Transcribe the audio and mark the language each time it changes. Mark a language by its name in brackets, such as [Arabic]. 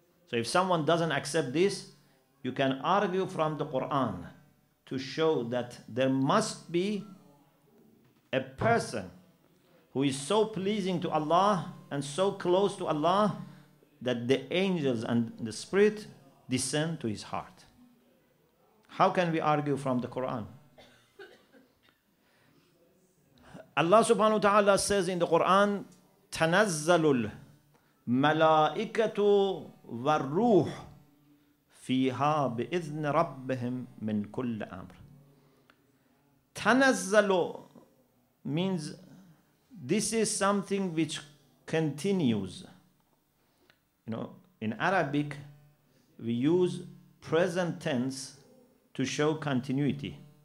[English] So if someone doesn't accept this, you can argue from the Quran to show that there must be a person who is so pleasing to Allah and so close to Allah that the angels and the spirit descend to his heart. How can we argue from the Quran? [Arabic] Allah subhanahu wa ta'ala [English] says in the Quran, [Arabic] تَنَزَّلُ الْمَلَائِكَةُ وَالْرُوحُ فِيهَا بِإِذْنِ رَبِّهِمْ مِنْ كُلِّ أَمْرٍ. [English] تَنَزَّلُ means this is something which continues. You know, in Arabic, we use present tense to show continuity.